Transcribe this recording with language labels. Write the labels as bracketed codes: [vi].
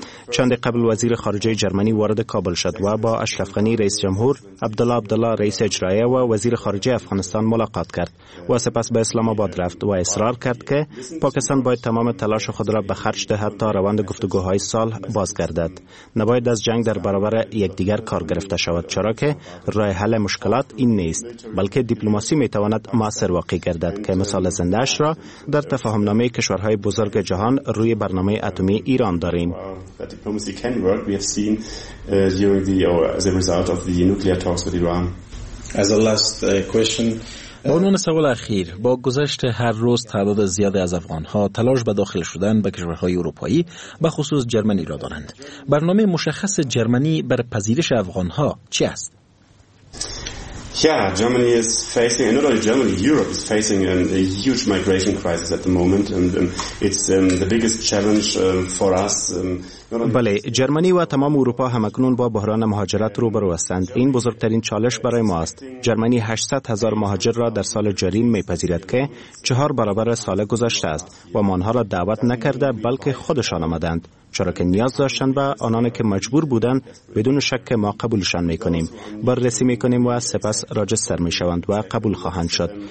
[fa] چند قبل وزیر خارجه جرمنی وارد کابل شد و با اشرف غنی رئیس جمهور، عبدالله عبدالله رئیس اجرائیه و وزیر خارجه افغانستان ملاقات کرد و سپس به اسلام آباد رفت و اصرار کرد که پاکستان باید تمام تلاش خود را به خرج دهد تا روند گفتگوهای صلح بازگردد. نباید از جنگ در برابر یکدیگر کار گرفته شود، چرا که راه حل مشکلات این نیست، بلکه دیپلماسی میتواند مؤثر واقع گردد که مثال زنده اش را در تفاهم‌نامه کشورهای بزرگ جهان روی برنامه اتمی ایران داریم. [en] Diplomacy can work. We have seen during the or as a result of the nuclear talks with Iran. As a last question. [fa] با عنوان سوال اخیر، با گذشت هر روز تعداد زیادی از افغانها تلاش به داخل شدن به کشورهای اروپایی به خصوص جرمنی را دارند. برنامه مشخص جرمنی بر پذیرش افغانها چی است؟ [en] Yeah, Germany is facing, and not only Germany, Europe is facing a huge migration crisis at the moment, and it's the biggest challenge for us. [fa] بله، جرمنی و تمام اروپا همکنون با بحران مهاجرت روبرو هستند. این بزرگترین چالش برای ما است. جرمنی 800 هزار مهاجر را در سال جاری میپذیرد که 4 برابر سال گذشته است و ما آنها را دعوت نکرده بلکه خودشان آمدند، چرا که نیاز داشتند و آنان که مجبور بودند بدون شک ما قبولشان میکنیم، بررسی میکنیم و سپس راجستر میشوند و قبول خواهند شد.